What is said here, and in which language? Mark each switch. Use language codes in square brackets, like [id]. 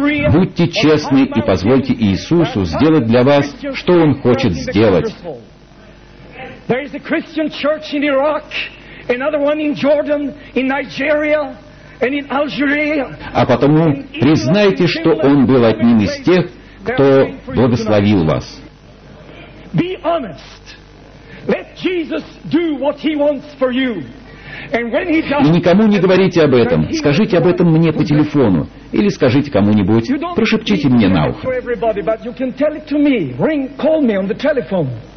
[ru] Будьте честны и позвольте Иисусу сделать для вас, что Он хочет сделать. [en] There is a Christian church in Iraq, another one in Jordan, in Nigeria, and in Algeria. [ru] А потому признайте, что он был одним из тех, кто благословил вас. [en] Be honest. Let Jesus do what he wants for you. [ru] И никому не говорите об этом. Скажите об этом мне по телефону. Или скажите кому-нибудь. Прошепчите мне на ухо. [en] Everybody, but you can tell it to me. Ring, call me on the telephone.